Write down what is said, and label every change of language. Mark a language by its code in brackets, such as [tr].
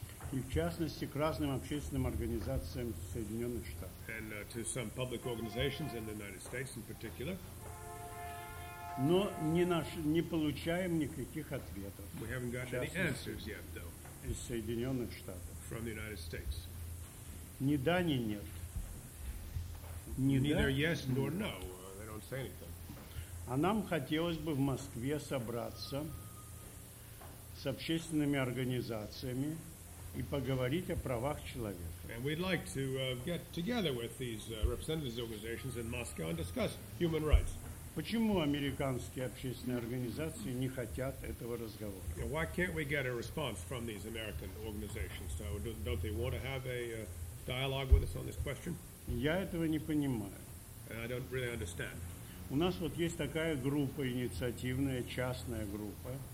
[ru] И в частности к разным общественным организациям Соединенных Штатов. [en] And to some public organizations in the United States in particular. [ru] Но не получаем никаких ответов. [en] We haven't got any answers yet, though. [ru] Из Соединенных Штатов. [en] From the United States. [ru] Ни да, ни нет. [en] Neither yes nor no. They don't say anything. [ru] А нам хотелось бы в Москве собраться с общественными организациями и поговорить о правах человека. [en] And we'd like to get together with these representatives of organizations in Moscow and discuss human rights. [ru] Почему американские общественные организации не хотят этого разговора? [en] Yeah, why can't we get a response from these American organizations? So don't they want to have a dialogue with us on this question? [ru] Я этого не понимаю. [en] And I don't really understand. [ru] У нас вот есть такая группа инициативная, частная группа.